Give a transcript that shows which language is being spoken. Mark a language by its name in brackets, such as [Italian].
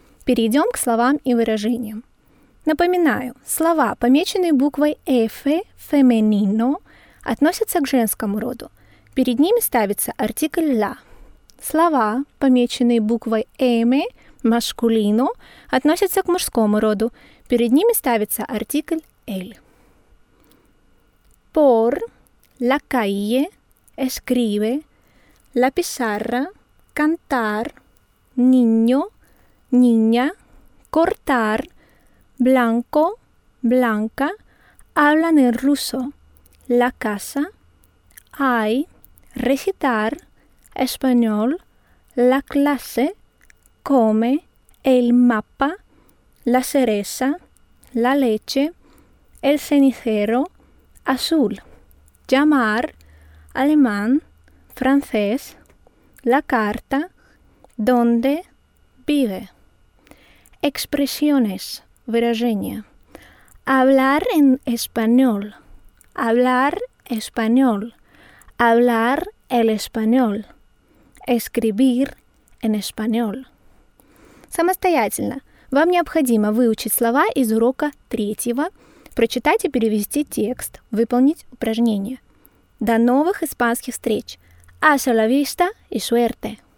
[Russian] Перейдем к словам и выражениям. Напоминаю, слова, помеченные буквой F, femenino, относятся к женскому роду. Перед ними ставится артикль la. Слова, помеченные буквой M, masculino, относятся к мужскому роду. Перед ними ставится артикль L. [Spanish] Por, la calle, escribe, la pizarra, cantar, niño, niña, cortar, blanco, blanca, hablan en ruso, la casa, hay, recitar, español, la clase, come, el mapa, la cereza, la leche, el cenicero, Azul, llamar, alemán, francés, la carta, donde vive. Expresiones, выражения. Hablar en español, hablar español, hablar el español, escribir en español. [Russian] Самостоятельно вам необходимо выучить слова из урока третьего, прочитать и перевести текст, выполнить упражнение. До новых испанских встреч! [Spanish] Hasta la vista y suerte!